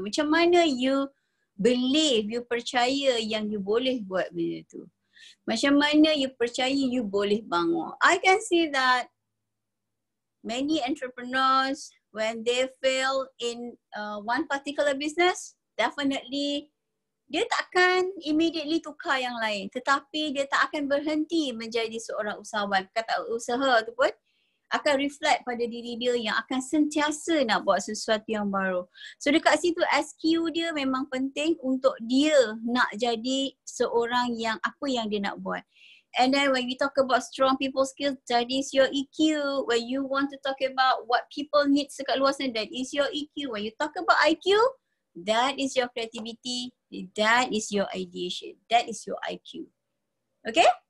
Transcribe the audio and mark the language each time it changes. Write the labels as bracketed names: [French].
[Malay] Macam mana [English] you believe, [Malay] you percaya yang you boleh buat benda tu. Macam mana you percaya you boleh bangun. [English] I can see that many entrepreneurs, when they fail in one particular business, definitely [Malay] dia takkan [English] immediately [Malay] tukar yang lain. Tetapi dia tak akan berhenti menjadi seorang usahawan. Kata usaha tu pun akan reflect pada diri dia yang akan sentiasa nak buat sesuatu yang baru. So dekat situ SQ dia memang penting untuk dia nak jadi seorang yang apa yang dia nak buat. [English] And then when we talk about strong people skills, that is your EQ. When you want to talk about what people need [Malay] dekat luar sana, [English] that is your EQ. When you talk about IQ, that is your creativity. That is your ideation. That is your IQ. Okay?